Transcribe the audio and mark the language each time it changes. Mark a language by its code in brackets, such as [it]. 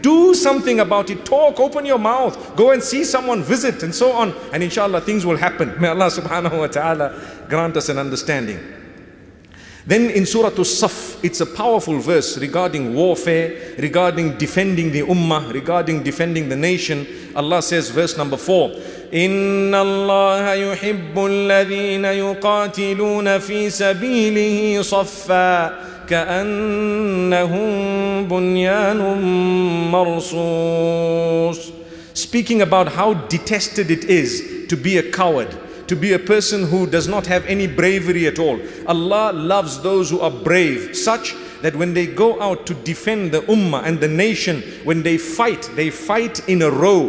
[en] Do something about it. Talk, open your mouth, go and see someone, visit and so on. And inshallah, things will happen. May Allah subhanahu wa ta'ala grant us an understanding. Then in Surah As-Saff, it's a powerful verse regarding warfare, regarding defending the ummah, regarding defending the nation. Allah says, verse number 4, [ar] إِنَّ اللَّهَ يُحِبُّ الَّذِينَ يُقَاتِلُونَ فِي سَبِيلِهِ صَفَّا كَأَنَّهُمْ بُنْيَانٌ مَرْصُوصٌ. [en] Speaking about how detested it is to be a coward, to be a person who does not have any bravery at all. Allah loves those who are brave, such that when they go out to defend the ummah and the nation, when they fight in a row.